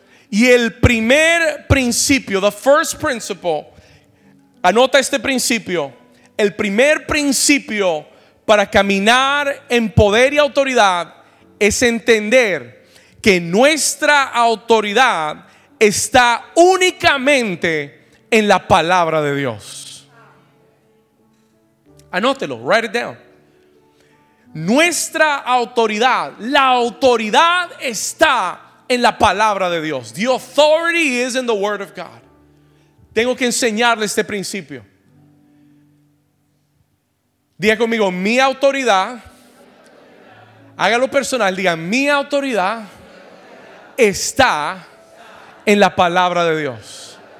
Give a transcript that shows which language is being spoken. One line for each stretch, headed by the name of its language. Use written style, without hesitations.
Spanish: Y el primer principio,
English: the first principle,
Spanish: anota este principio, el primer principio para caminar en poder y autoridad es entender que nuestra autoridad está únicamente en la palabra de Dios. Anótelo,
English: write it down.
Spanish: Nuestra autoridad, la autoridad está en la palabra de Dios.
English: The authority is in the word of God.
Spanish: Tengo que enseñarle este principio. Diga conmigo, mi autoridad. Hágalo personal, diga, mi autoridad está en la palabra de Dios.